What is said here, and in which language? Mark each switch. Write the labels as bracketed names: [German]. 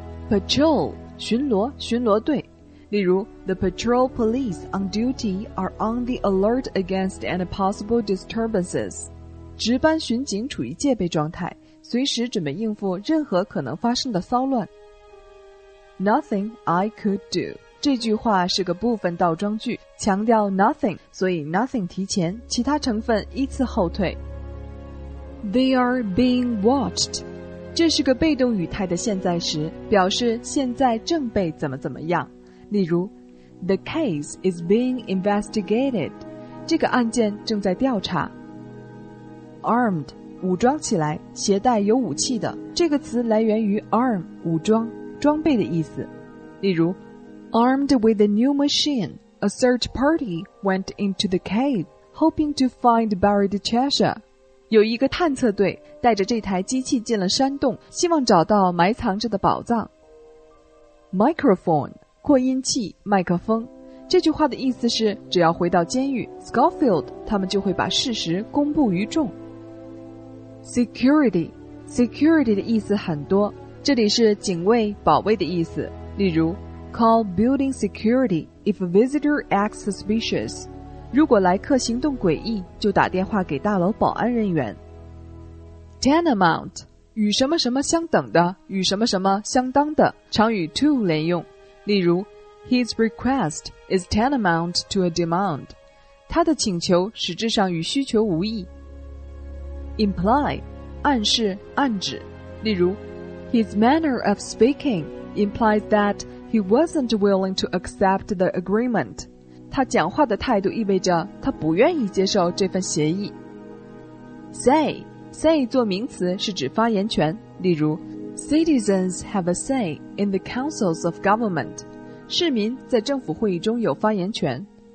[English] Patrol, [Chinese] 巡逻，巡逻队，例如 [English] The patrol police on duty are on the alert against any possible disturbances. [Chinese] 值班巡警处于戒备状态，随时准备应付任何可能发生的骚乱。 [English] Nothing I could do. [Chinese] 这句话是个部分倒装句，强调 nothing, 所以 nothing 提前，其他成分依次后退。 [English] They are being watched. [Chinese] 这是个被动语态的现在时，表示现在正被怎么怎么样。 [English] 例如 The case is being investigated. [Chinese] 这个案件正在调查。Armed, 武装起来，携带有武器的。这个词来源于 arm, 武装。装备的意思，例如 [English] Armed with a new machine, a search party went into the cave, hoping to find buried treasure. [Chinese] 有一个探测队带着这台机器进了山洞，希望找到埋藏着的宝藏。 Microphone, 扩音器，麦克风，这句话的意思是只要回到监狱 Schofield, 他们就会把事实公布于众。 [English] Security, security [Chinese] 的意思很多，这里是警卫、保卫的意思，例如 [English] Call building security if a visitor acts suspicious. [Chinese] 如果来客行动诡异，就打电话给大楼保安人员。 Tenement 与什么什么相等的，与什么什么相当的，常与 to 连用，例如 [English] His request is tenement to a demand. [Chinese] 他的请求实质上与需求无异。 [English] Imply [Chinese] 暗示、暗指，例如 [English] His manner of speaking implies that he wasn't willing to accept the agreement. [Chinese] 他讲话的态度意味着他不愿意接受这份协议。 [English] Say [Chinese] 做名词是指发言权，例如 [English] Citizens have a say in the councils of government. [Chinese] 市民在政府会议中有发言权。